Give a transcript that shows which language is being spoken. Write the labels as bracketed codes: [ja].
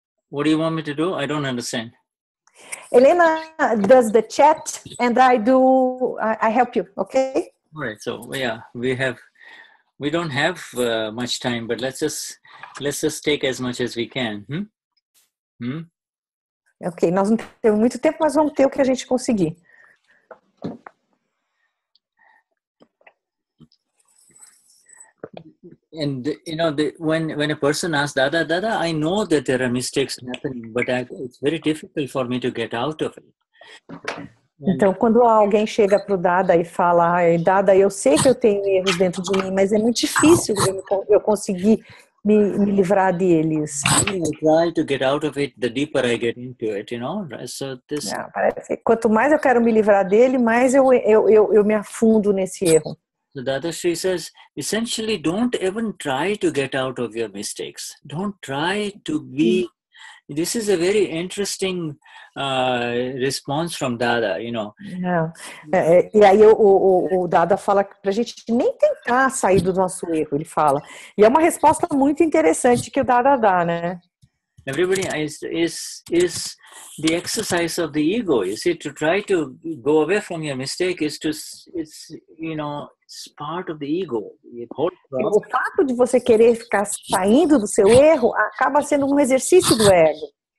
[en] What do you want me to do? I don't understand. Elena does the chat, and I help you, okay? All right, so yeah, we don't have much time, but let's just take as much as we can. [pt] Okay, nós não temos muito tempo, mas vamos ter o que a gente conseguir. [en] And you know, when a person asks Dada, I know that there are mistakes happening, but it's very difficult for me to get out of it. [pt] Então, quando alguém chega pro Dada e fala, Dada, eu sei que eu tenho erros dentro de mim, mas é muito difícil eu conseguir me livrar deles. [en] I try to get out of it, the deeper I get into it, you know. So this. [pt] Não, parece que quanto mais eu quero me livrar dele, mais eu me afundo nesse erro. [en] The Dadashri says, essentially, don't even try to get out of your mistakes. Don't try to be. This is a very interesting response from Dada, you know. Yeah. [pt] E aí o Dada fala pra gente nem tentar sair do nosso erro, ele fala. E é uma resposta muito interessante que o Dada dá, né? [en] Everybody is the exercise of the ego. You see, to try to go away from your mistake is to, it's, you know, it's part of the ego. [pt] O fato de você querer ficar saindo do seu erro acaba sendo um exercício do ego.